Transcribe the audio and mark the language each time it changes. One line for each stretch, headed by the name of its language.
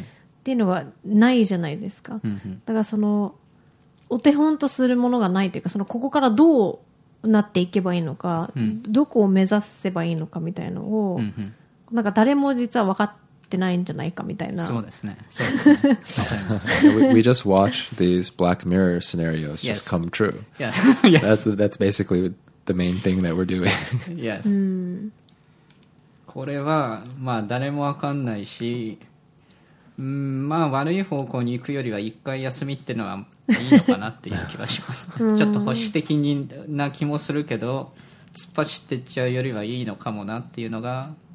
Japanese: っていうのがないじゃないですか、だからそのお手本とするものがないというか、そのここからどうなっていけばいいのか、うん、どこを目指せばいいのかみたいなのを、なんか誰も実は分かってってないんじゃないかみたいな。そうですね。そうですね。
English: we just watch these Black Mirror scenarios just come true. Yes. That's basically the main thing that we're doing. Yes.
Japanese: これはまあ誰もわかんないし、まあ悪い方向に行くよりは一回休みってのはいいのかなっていう気がします。ちょっと保守的にな気もするけど、突っ走っていっちゃうよりはいいのかもなっていうのが。